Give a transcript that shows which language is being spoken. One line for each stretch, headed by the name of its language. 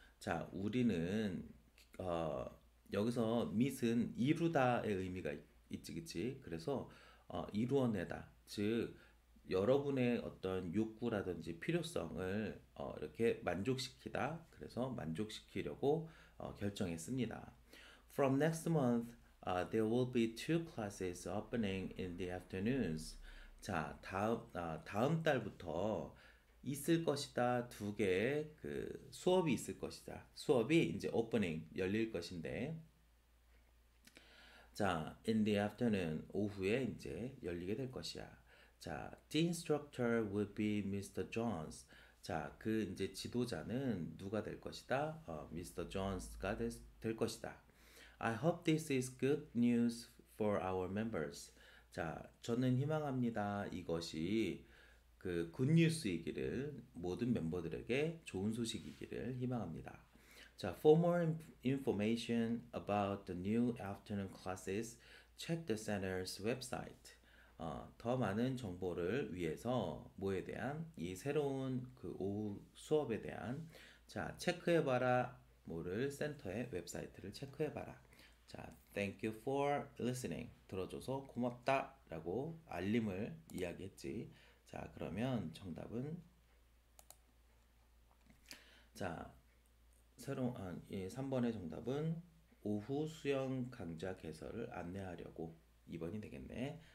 Korean: 자, 우리는 여기서 meet은 이루다의 의미가 있지, 그치? 그래서 이루어내다, 즉 여러분의 어떤 욕구라든지 필요성을 이렇게 만족시키다, 그래서 만족시키려고 결정했습니다.
English: From next month, there will be two classes opening in the afternoons.
Korean: 자, 다음 달부터 있을 것이다, 두 개의 그 수업이 있을 것이다. 수업이 이제 오프닝, 열릴 것인데, 자,
English: in the afternoon,
Korean: 오후에 이제 열리게 될 것이야.
English: 자, the instructor will be Mr. Jones.
Korean: 자, 그 이제 지도자는 누가 될 것이다? Mr. Jones가 될 것이다.
English: I hope this is good news for our members.
Korean: 자, 저는 희망합니다. 이것이 그 굿뉴스이기를, 모든 멤버들에게 좋은 소식이기를 희망합니다.
English: 자, for more information about the new afternoon classes, check the center's website.
Korean: 더 많은 정보를 위해서 뭐에 대한 이 새로운 그 오후 수업에 대한 자 체크해봐라 뭐를 센터의 웹사이트를 체크해봐라 자
English: Thank you for listening
Korean: 들어줘서 고맙다라고 알림을 이야기했지 자 그러면 정답은 자 새로운 이 3번의 정답은 오후 수영 강좌 개설을 안내하려고 2번이 되겠네.